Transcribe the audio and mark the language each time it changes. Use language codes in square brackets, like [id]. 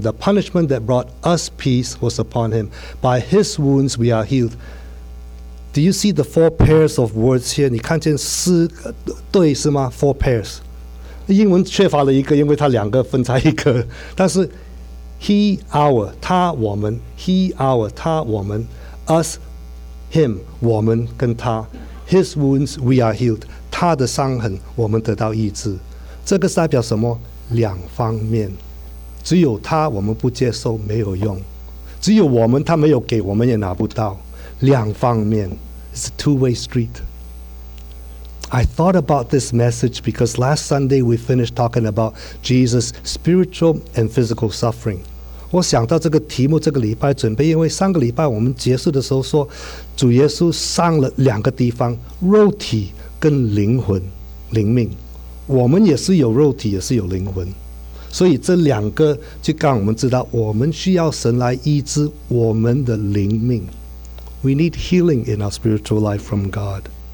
[en] The punishment that brought us peace was upon him. By his wounds we are healed. Do you see the four pairs of words here? [zh] 你看见四个对是吗？ [en] Four pairs. [zh] 英文缺乏了一个，因为它两个分在一个。但是 [en] He, our, [zh] 他, 我们 He, our, 他, 我们 [en] Us, him, [zh] 我们跟他 [en] His wounds, we are healed [zh] 他的伤痕我们得到医治这个代表什么两方面只有他我们不接受没有用只有我们他没有给我们也拿不到两方面 [en] It's a two-way street I thought about this message because last Sunday we finished talking about Jesus' spiritual and physical suffering. [zh] 我想到这个题目这个礼拜准备因为上个礼拜我们结束的时候说主耶稣伤了两个地方肉体跟灵魂灵命我们也是有肉体也是有灵魂所以这两个就让我们知道我们需要神来医治我们的灵命 [en] We need healing in our spiritual life from God.